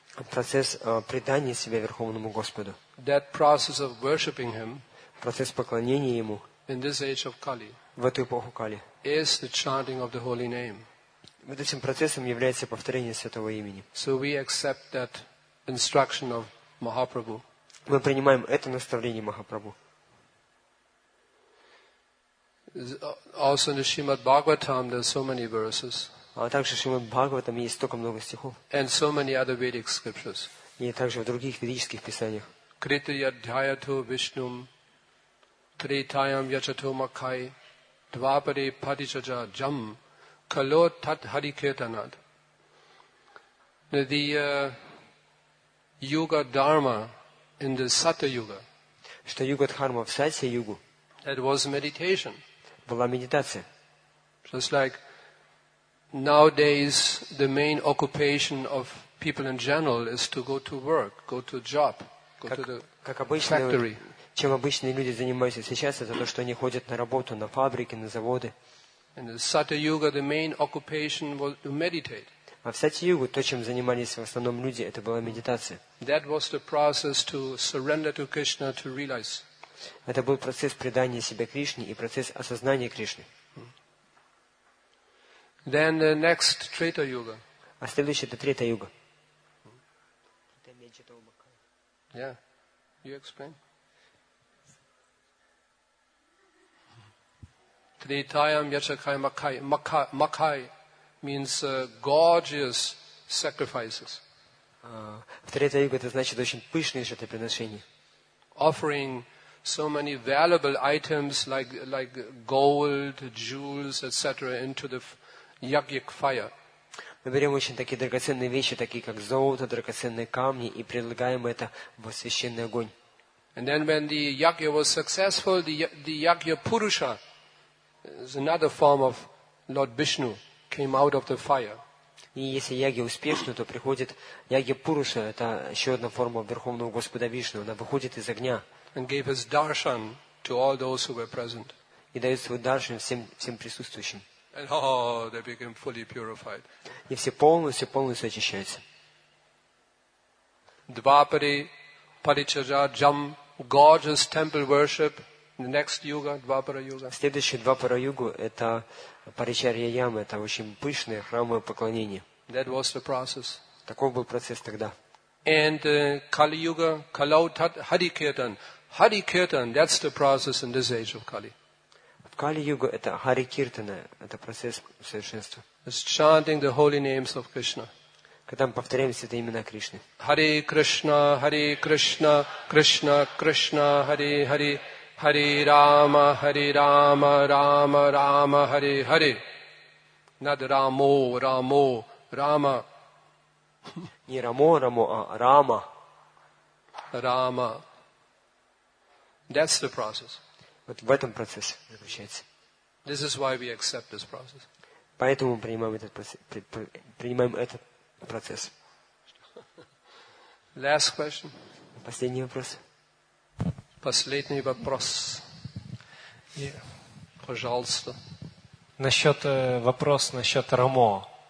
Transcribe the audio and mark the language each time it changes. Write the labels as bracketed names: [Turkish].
[Russian] Процесс предания себя Верховному Господу. [English] That process of worshiping Him. [Russian] Процесс поклонения Ему. [English] In this age of Kali. [Russian] В эту эпоху Кали. [English] Is the chanting of the holy name. [Russian] Вот этим процессом является повторение святого имени. [English] So we accept that instruction of Mahaprabhu. [Russian] Мы принимаем это наставление Махапрабху. [English] Also in the Srimad Bhagavatam there are so many verses. [Russian] А также в Шримад Бхагаватам есть столько много стихов. [English] And so many other Vedic scriptures. [Russian] И также в других ведических писаниях. [Sanskrit] Крита Ядхаято Вишнум Тритаям Ячато Макхай Двапаре Падичаджа Джам Кало Тат Хари Кетанат. [English] Yuga Dharma in the Satya Yuga. [Russian] Что Юга Дхарма в Сатья Югу. [English] That was meditation. [Russian] Была медитация. [English] Just like nowadays the main occupation of people in general is to go to work, go to job, go to the factory. [Russian] Чем обычные люди занимаются сейчас, это то, что они ходят на работу, на фабрики, на заводы. А в Сатья-югу то, чем занимались в основном люди, это была медитация. Это был процесс предания себя Кришне и процесс осознания Кришны. [English] Then the next Трета-юга. [Russian] А следующий это Трета-юга. [English] Yeah. You explain? [Sanskrit] Tritayam yachakai makai. [English] Makai means gorgeous sacrifices. [Russian] В третьей юге это значит очень пышные жертвоприношения. [English] Offering so many valuable items like gold, jewels, etc. into the yagyic fire. [Russian] Мы берем очень такие драгоценные вещи, такие как золото, драгоценные камни, и предлагаем это в священный огонь. [English] And then when the yagya was successful, the yagya purusha, another form of Lord Vishnu, came out of the fire. [Russian] И если яги успешны, то приходит яги Пуруша, это еще одна форма Верховного Господа Вишну, она выходит из огня. [English] And gave his darshan to all those who were present. [Russian] И дает свой даршан всем, всем присутствующим. [English] And oh, they became fully purified. [Russian] И все полностью, полностью очищаются. [Sanskrit] Двапари, Паричара, Джам, [English] gorgeous temple worship. The next yuga, Двапара Юга. [Russian] Следующий Двапара Юга это Паричарья Яма, это очень пышное храмовое поклонение. [English] That was the process. [Russian] Таков был процесс тогда. [English] And Kali Yuga, [Sanskrit] Kalau Hari Kirtan. [English] Hari Kirtan, that's the process in this age of Kali. [Russian] В Кали-Югу это Хари Киртана, это процесс совершенства. [English] It's chanting the holy names of Krishna. [Russian] Когда мы повторяем святые имена Кришны. [Sanskrit] Hare Krishna, Hare Krishna, Krishna Krishna, Hare Hare, Hare Rama, Hare Rama, Rama Rama, Hare Hare. [English] Not Ramo, Ramo, Rama. [Russian] Не Рамо, Рамо, а Рама. [English] Рама. That's the process. [Russian] Вот в этом процессе заключается. [English] This is why we accept this process. [Russian] Поэтому мы принимаем этот процесс. [English] Last question. [Russian] Последний вопрос. Последний вопрос. [English] Yeah. [Russian] Пожалуйста. Насчет вопрос насчет Рамо.